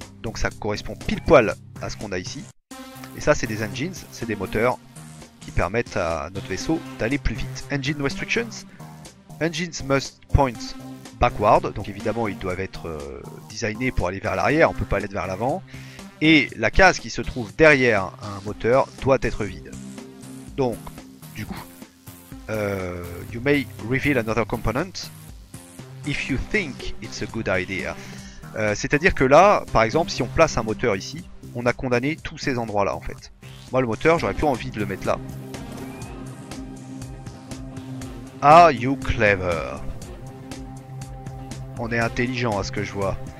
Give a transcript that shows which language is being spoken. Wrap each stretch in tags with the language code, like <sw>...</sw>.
<fr>Donc ça correspond pile poil à ce qu'on a ici. Et ça c'est des engines, c'est des moteurs qui permettent à notre vaisseau d'aller plus vite.</fr> <en>Engine restrictions. Engines must point backward,</en> <fr>donc évidemment ils doivent être designés pour aller vers l'arrière, on peut pas aller vers l'avant. Et la case qui se trouve derrière un moteur doit être vide. Donc, du coup,</fr> <en>you may reveal another component if you think it's a good idea.</en> <fr>C'est-à-dire que là, par exemple, si on place un moteur ici, on a condamné tous ces endroits-là en fait. Moi le moteur, j'aurais plus envie de le mettre là.</fr> <en>Are you clever?</en> <fr>On est intelligent à ce que je vois.</fr>